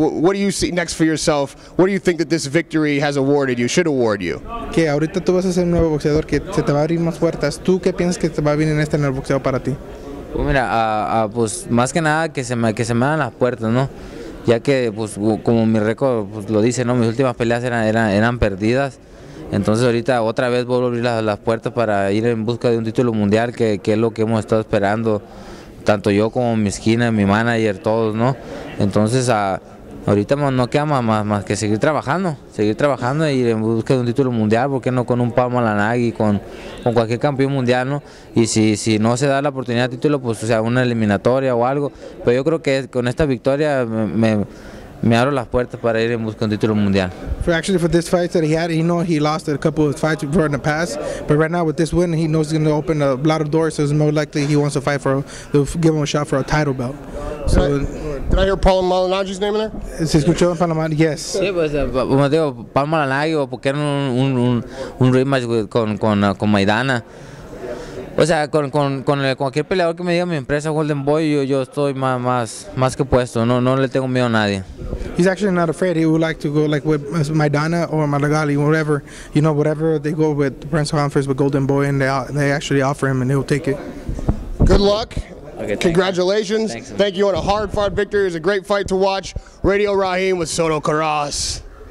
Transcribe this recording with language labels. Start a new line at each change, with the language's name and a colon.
English: What do you see next for yourself? What do you think that this victory has awarded you, should award you?
Spanish: Que ahorita tú vas a ser un nuevo boxeador, que se te va a abrir más puertas. ¿Tú qué piensas que te va a venir en este en el boxeo para ti? Pues mira, pues más que nada que se me dan las puertas, ¿no? Ya que, pues, como mi récord, pues, lo dice, ¿no? Mis últimas peleas eran perdidas. Entonces ahorita otra vez vuelvo a abrir las puertas para ir en busca de un título mundial, que es lo que hemos estado esperando, tanto yo como mi esquina, mi manager, todos, ¿no? Entonces ahorita no queda más que seguir trabajando e ir en busca de un título mundial, ¿por qué no con un Pablo Lanagui, con cualquier campeón mundial, ¿no? Y si no se da la oportunidad de título, pues, o sea, una eliminatoria o algo, pero yo creo que con esta victoria me abro las puertas para ir en busca de un título mundial.
English: For this fight that he had, you know, he lost a couple of fights before in the past, but right now with this win, he knows he's going to open a lot of doors, so it's more likely he wants to fight for, to give him a shot for a title belt. So, did I hear Paul Malignaggi's name in there?
Spanish: ¿Se escuchó Paul Malignaggi?
English: Yes.
Spanish: Sí, pues, como digo, Paul Malignaggi, o porque era un rematch con Maidana. O sea, con cualquier peleador que me diga mi empresa Golden Boy, yo estoy más que puesto. No le tengo miedo a nadie.
English: He's actually not afraid. He would like to go, like, with Maidana or Malagali, whatever, you know, whatever they go with the Prince Humphries, with Golden Boy, and they actually offer him, and he'll take it. Good luck. Okay, congratulations. Thanks. Thank you on a hard-fought victory. It was a great fight to watch. Radio Raheem with Soto Carras.